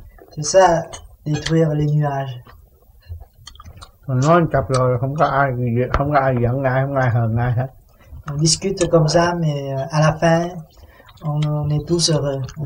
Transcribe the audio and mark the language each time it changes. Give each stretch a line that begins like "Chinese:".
French: C'est ça, détruire les nuages.
Vietnamese: Mình nói cặp rồi, không có ai giận ai, không ai hờn ai hết.
French: On discute comme ça, mais à la fin, on est tous heureux.